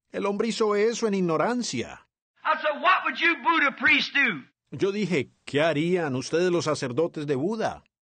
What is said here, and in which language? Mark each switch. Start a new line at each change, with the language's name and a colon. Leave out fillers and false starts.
Spanish: El hombre hizo eso en ignorancia.
English: I said, what would you Buddha priest do?
Spanish: Yo dije, ¿qué harían ustedes los sacerdotes de Buda?